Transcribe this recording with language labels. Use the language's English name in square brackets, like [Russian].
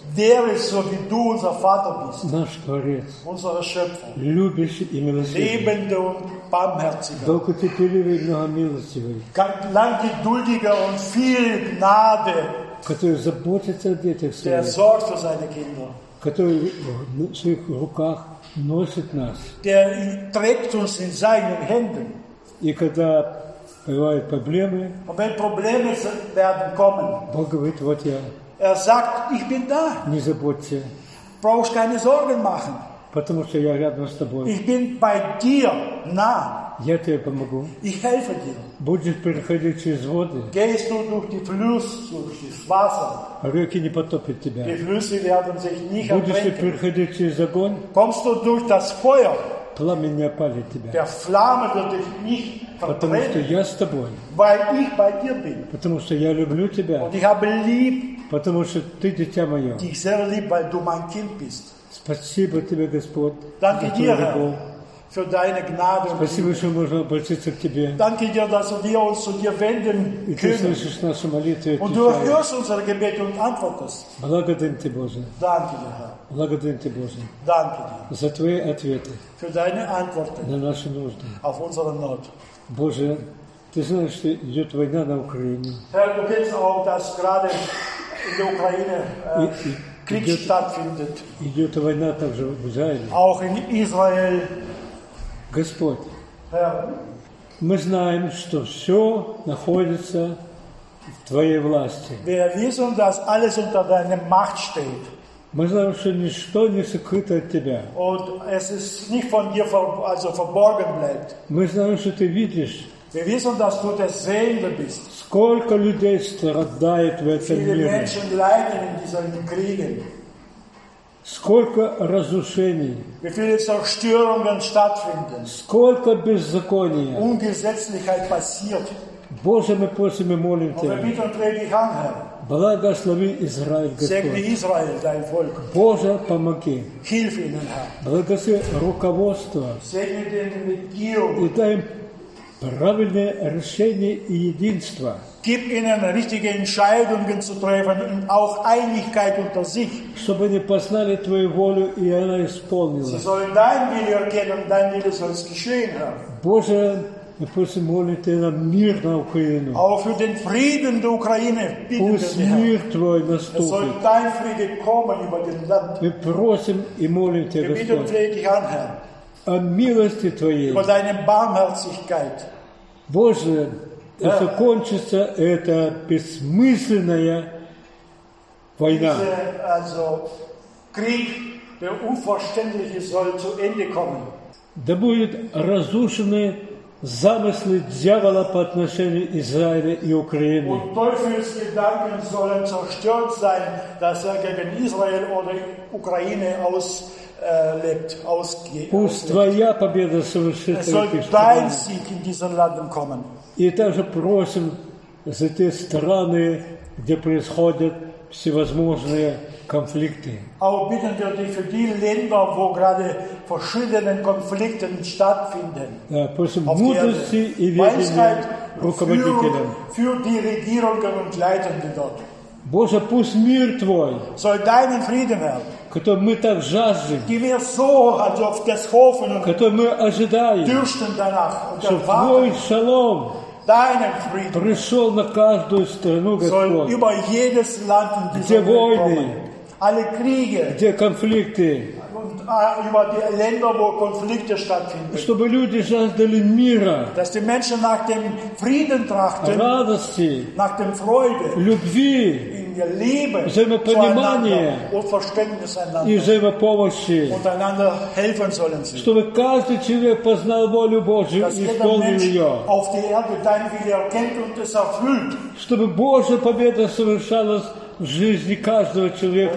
[German] Wer ist so wie du unser Vater bist? [Russian] Наш творец. [German] Unser Schöpfer. [Russian] Любящий и милосердный. [German] Liebender und barmherziger. [Russian] Кто как ты терпеливый и многомилостивый. [German] Langgeduldiger und viel Gnade. [Russian] Который заботится о детях своих. [German] Der sorgt für seine Kinder. [Russian] Который в своих руках носит нас. [German] Der trägt uns in seinen Händen. [Russian] И когда бывают проблемы, [German] und wenn Probleme werden kommen, [Russian] Бог говорит, вот я. [German] Er sagt, ich bin da. [Russian] Не забудьте. [German] Brauchst keine Sorgen machen. [Russian] Потому что я рядом с тобой. [German] Ich bin bei dir, nah. [Russian] Я тебе помогу. [German] Ich helfe dir. [Russian] Будешь переходить через воды. [German] Gehst du durch die Flüsse, durch das Wasser. [Russian] Реки не потопят тебя. [German] Die Flüsse werden sich nicht ertränken. [Russian] Будешь переходить через огонь. [German] Kommst du durch das Feuer. [Russian] Пламя не опалит тебя. [German] Der Flamme wird dich nicht verbrennen. [Russian] Потому что я с тобой. [German] Weil ich bei dir bin. [Russian] Потому что я люблю тебя. [German] Und ich habe lieb. [Russian] Потому что ты дитя мое. [German] Dich sehr lieb, weil du mein Kind bist. [Russian] Спасибо тебе, Господь. [German] Danke dir, Herr, für deine Gnade. [Russian] Спасибо, что можно обратиться к тебе. [German] Danke dir, dass wir uns zu dir wenden können. [Russian] И ты слышишь нашу молитву. [German] Und du hörst unsere Gebete und antwortest. [Russian] Благодарим тебя, Боже. [German] Danke dir, Herr. [Russian] Благодарим тебя, Боже. [German] Danke dir. [Russian] За твои ответы. [German] Für deine Antworten. [Russian] На наши нужды. [German] Auf unsere Not. [Russian] Боже, ты знаешь, что идет война на Украине. [German] Herr, du kennst auch, dass gerade in der Ukraine Krieg [Russian] идет, [German] stattfindet. [Russian] Идет война также в Израиле. [German] Auch in Israel. [Russian] Господь, [German] Herr, [Russian] мы знаем, что все находится в Твоей власти. [German] Wir wissen, dass alles unter deiner Macht steht. [Russian] Мы знаем, что ничто не сокрыто от Тебя. [German] Und es ist nicht von dir verborgen bleibt. [Russian] Мы знаем, что Ты видишь. [German] Wir wissen, dass du der Sehende bist. [Russian] Сколько людей страдает в этом [German] Viele [Russian] мире. [German] Menschen leiden in diesen Kriegen. [Russian] Сколько разрушений. [German] Wie viele Zerstörungen stattfinden. [Russian] Сколько беззакония. [German] Ungesetzlichkeit passiert. [Russian] Боже, мы просим и молим Тебя. [German] Und wir bitten dich an, Herr. [Russian] Благослови Израиль, Господь. [German] Segne Israel, dein Volk. [Russian] Боже, помоги. [German] Hilf ihnen, Herr. [Russian] Благослови руководство. [German] Segne den Regierung. [Russian] И дай им правильное решение и единство. [German] Gib ihnen richtige Entscheidungen zu treffen und auch Einigkeit unter sich. [Russian] Чтобы они познали твою волю и она исполнилась. [German] Sie sollen dein Wille erkennen und dein Wille soll es geschehen, Herr. [Russian] Боже, мы просим молить Тебя на мир на Украину. [German] Auch für den Frieden der Ukraine bitten wir [Russian] Пусть мир Твой наступит. [German] Es soll dein Friede kommen über den Land. [Russian] Мы просим и молим Тебя, [German] wir [Russian] Господь. [German] Wir bitten dich an, Herr. [Russian] О милости Твоей. [German] Über deine Barmherzigkeit. [Russian] Боже, да закончится эта бессмысленная война. [German] Also, Krieg, der unverständlich ist, soll zu Ende kommen. [Russian] Да будет разрушены замыслы дьявола по отношению Израиля и Украины. [German] Und Teufels Gedanken sollen zerstört sein, dass gegen Israel oder Ukraine auslebt, ausgeht. [Russian] Пусть твоя победа совершит [German] Es soll dein Sieg in diesen Ländern kommen. [Russian] И также просим за те страны, где происходят всевозможные конфликты. [German] Auch bitten wir dich für die Länder, wo gerade verschiedene Konflikte stattfinden. Weisheit für die Regierungen und Leiter, die dort. [Russian] Боже, пусть мир твой, [German] soll deinen Frieden [Russian] который мы так жаждем, [German] die wir so auf das hoffen, [Russian] который мы ожидаем, [German] dürsten danach, [Russian] чтобы твой шалом [German] deinen Frieden [Russian] пришел на каждую страну, Господь, [German] soll über jedes Land in dieser [Russian] где войны, [German] Alle Kriege, [Russian] где конфликты, [German] und, über die Länder, wo Konflikte stattfinden, [Russian] чтобы люди жаждали мира, [German] dass die Menschen nach dem Frieden trachten, [Russian] радости, [German] nach dem Freude, [Russian] любви, [German] in der Liebe, [Russian] взаимопонимание, [German] und Verständnis einander, [Russian] и взаимопомощи, [German] und einander helfen sollen sie, [Russian] чтобы каждый человек познал волю Божию и исполнил ее, [German] auf die Erde dein Wille erkennt und es erfüllt, [Russian] чтобы Божья победа совершалась в жизни каждого человека,